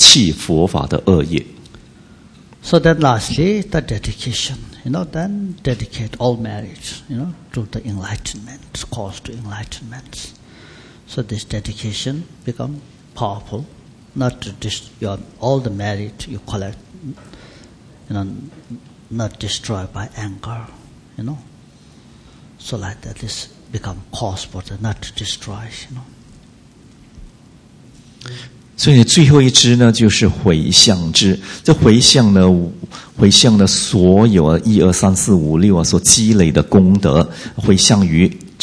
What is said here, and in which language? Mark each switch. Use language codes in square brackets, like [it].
[zh] 所以呢，在这里呢，通过这个第六支供养的修法，就请佛、请善知识、转法轮，它就可以对治我们过去啊，就可以净化我们过去啊所种下的舍弃佛法的恶业。 [en] So then lastly, the dedication, you know, then dedicate all marriage, you know, to the enlightenment, cause to enlightenment. So this dedication become powerful. Not to all the merit you collect, you know, not destroyed by anger, you know. So like that, this become cause for the not to destroy, you know. [zh] 所以最后一支呢，就是回向支。这回向呢，回向的所有啊，一二三四五六啊，所积累的功德，回向于。